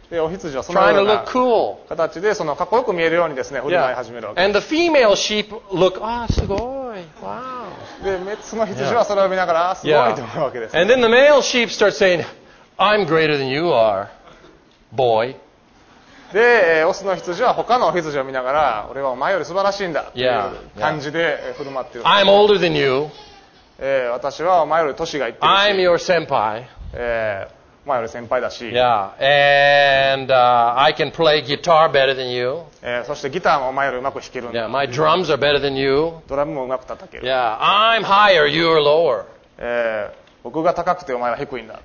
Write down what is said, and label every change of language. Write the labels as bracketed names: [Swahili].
[Japanese] オヒツジはそのような形で、そのかっこよく見えるようにですね、振り舞い始めるわけです。 [English] And the female sheep look, ah, すごい、wow. [Japanese] でメッツの羊はそれを見ながら、すごいと思うわけです、ね。 [English] And then the male sheep start saying, I'm greater than you are, boy. [Japanese] で、オスの羊は他の羊を見ながら、俺はお前より素晴らしいんだという感じで振る舞っている。 [English] I'm older than you. [Japanese] 私はお前より年がいってるし。 [English] I'm your 先輩。 [Japanese] お前より先輩だし。 [English] Yeah. And, I can play guitar better than you. [Japanese] そしてギターもお前よりうまく弾けるんだ。 [English] Yeah. My drums are better than you. [Japanese] ドラムもうまく叩ける。 [English] Yeah. I'm higher, you're lower. [Japanese] 僕が高くてお前は低いんだ。